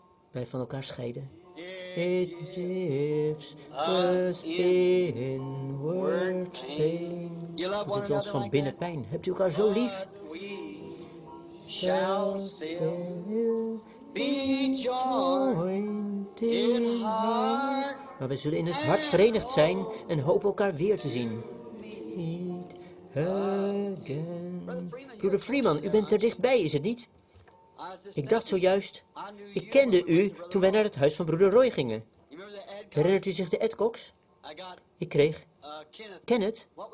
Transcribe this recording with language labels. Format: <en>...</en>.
<nl>Wij van elkaar scheiden.</nl> <en>It gives us inward pain.</en> <nl>Het doet ons van binnen pijn. Hebt u elkaar zo lief?</nl> <en>Shall still be joined in heart.</en> <nl>Maar we zullen in het hart verenigd zijn en hopen elkaar weer te zien.</nl> <en>Meet again.</en> <nl>Broeder Freeman, u bent er dichtbij, is het niet? Ik dacht zojuist, ik kende u toen wij naar het huis van broeder Roy gingen. Herinnert u zich de Ed Cox? Ik kreeg Kenneth.</nl>